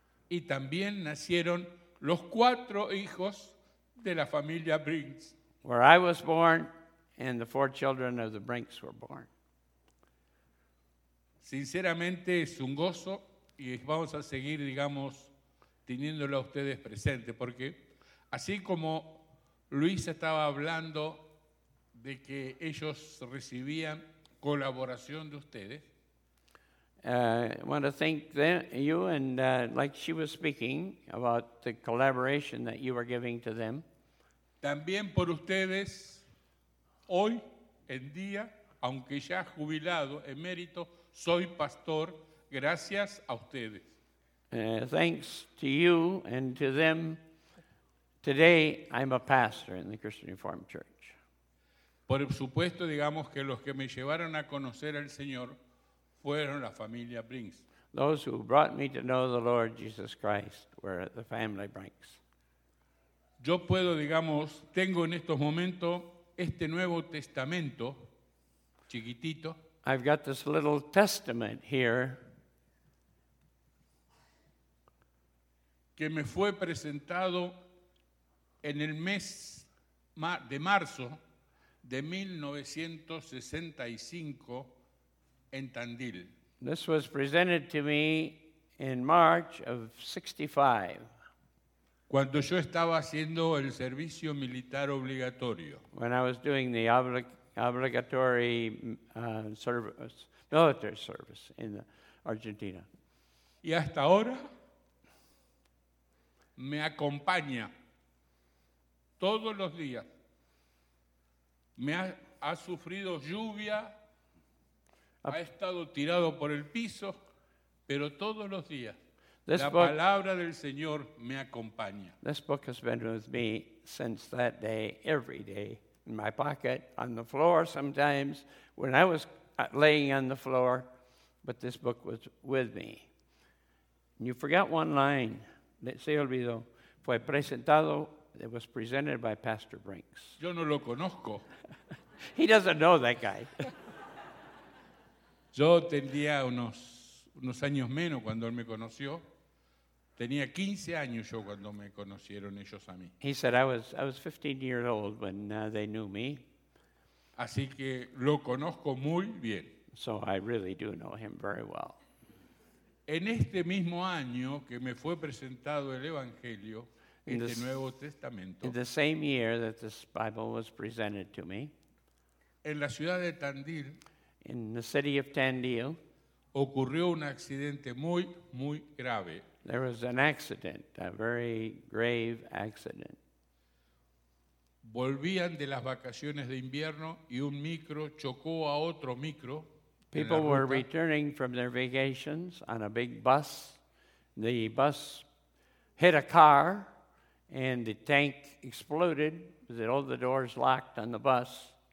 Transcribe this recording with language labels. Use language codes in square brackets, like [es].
[es] Y también nacieron los cuatro hijos de la familia Brinks. [en] Where I was born and the four children of the Brinks were born. [es] Sinceramente es un gozo y vamos a seguir, digamos, teniéndolo a ustedes presente, porque así como Luis estaba hablando de que ellos recibían colaboración de ustedes. [en] I want to thank them, you, and like she was speaking about the collaboration that you were giving to them. [es] También por ustedes, hoy en día, aunque ya jubilado, emérito, soy pastor, gracias a ustedes. [en] Thanks to you and to them. Today, I'm a pastor in the Christian Reformed Church. [es] Por supuesto, digamos que los que me llevaron a conocer al Señor fueron la familia Brinks. [en] Those who brought me to know the Lord Jesus Christ were the family Brinks. [es] Yo puedo, digamos, tengo en estos momentos este Nuevo Testamento chiquitito. [en] I've got this little testament here [es] que me fue presentado en el mes de marzo de 1965 en Tandil. [en] This was presented to me in March of 65. [es] Cuando yo estaba haciendo el servicio militar obligatorio. [en] When I was doing the obligatory service, military service in Argentina. [es] Y hasta ahora me acompaña todos los días. Me ha sufrido lluvia, ha estado tirado por el piso, pero todos los días. [en] This [es] la palabra del Señor me acompaña. [en] This book has been with me since that day, every day, in my pocket, on the floor sometimes, when I was laying on the floor, but this book was with me. And you forgot one line. [es] Se olvidó. Fue presentado, [en] it was presented by Pastor Brinks. [es] Yo no lo conozco. [en] He doesn't know that guy. [es] Yo tendría unos años menos cuando él me conoció. Tenía 15 años yo cuando me conocieron ellos a mí. [en] He said I was 15 years old when they knew me. [es] Así que lo conozco muy bien. [en] So I really do know him very well. [es] En este mismo año que me fue presentado el Evangelio, este Nuevo Testamento. [en] In the same year that this Bible was presented to me. [es] En la ciudad de Tandil. [en] In the city of Tandil. [es] Ocurrió un accidente muy, muy grave. [en] There was an accident, a very grave accident. [es] Volvían de las vacaciones de invierno y un micro chocó a otro micro. [en] People were returning from their vacations on a big bus. The bus hit a car and the tank exploded with all the doors locked on the bus.